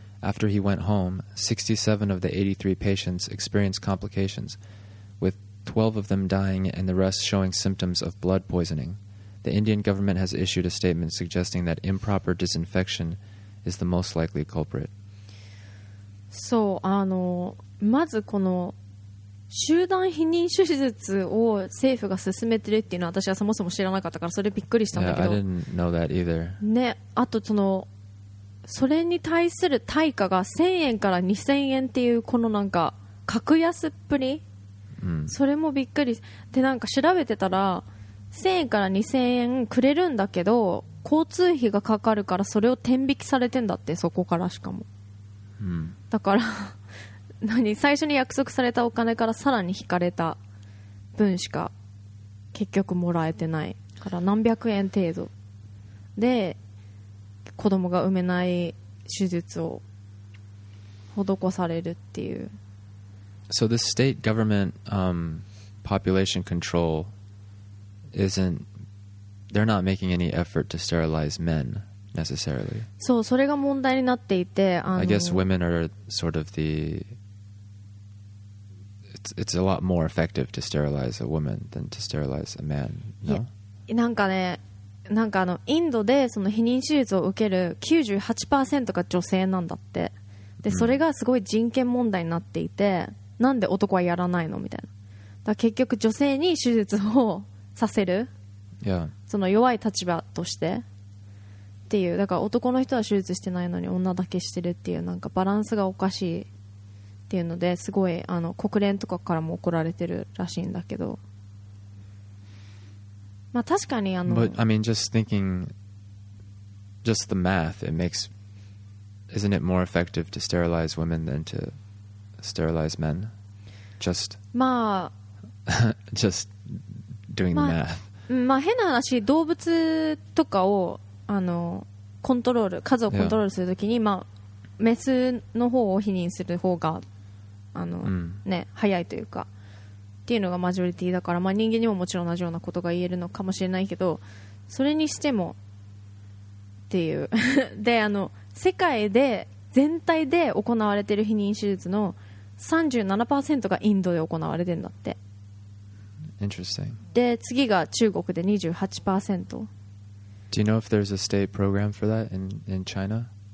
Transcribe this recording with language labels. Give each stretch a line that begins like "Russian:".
English: After he went home, 67 of the 83 patients experienced complications, with 12 of them dying and the rest showing symptoms of blood poisoning. The Indian government has issued a statement suggesting that improper disinfection is the most likely culprit.
Japanese: そう、あのまずこの集団避妊手術を政府が進めてるっていうのは私はそもそも知らなかったから、それびっくりしたんだけど。
English: Yeah, I didn't know that either.
Japanese: ね、あとそのそれに対する対価が1000円から2000円っていうこのなんか格安っぷり、それもびっくりで、なんか調べてたら1000円から2000円くれるんだけど交通費がかかるからそれを天引きされてんだって、そこからしかも、だから何、最初に約束されたお金からさらに引かれた分しか結局もらえてないから、何百円程度で子供が産めない手術を施されるっていう。
English: So the state government population control isn't, they're not making any effort to sterilize menNecessarily.
Japanese: そう、それが問題になっていて、あの
English: I guess women are sort of the it's a lot more effective to sterilize a woman than to sterilize a man. No?
Japanese: なんかね、なんかあのインドでその避妊手術を受ける 98% が女性なんだって。で、それがすごい人権問題になっていて、なんで男はやらないのみたいな。だから結局女性に手術をさせる。
English: Yeah.
Japanese: その弱い立場としてっていう、だから男の人は手術してないのに女だけしてるっていう、なんかバランスがおかしいっていうので、すごいあの国連とかからも怒られてるらしいんだけど、まあ確かにあの、
English: But I mean just thinking, just the math, it makes, isn't it more effective to sterilize women than to sterilize men? Just,
Japanese: まあ、
English: just doing the math.
Japanese: まあ、変な話、動物とかをあのコントロール、数をコントロールするときに、yeah. まあ、メスの方を否認する方があの、ね、早いというかっていうのがマジョリティだから、まあ、人間にももちろん同じようなことが言えるのかもしれないけど、それにしてもっていうであの世界で全体で行われている否認手術の 37% がインドで行われてるんだって。
English: Interesting.
Japanese: で次が中国で 28%。
English: Do you know if there's a state program for that in China?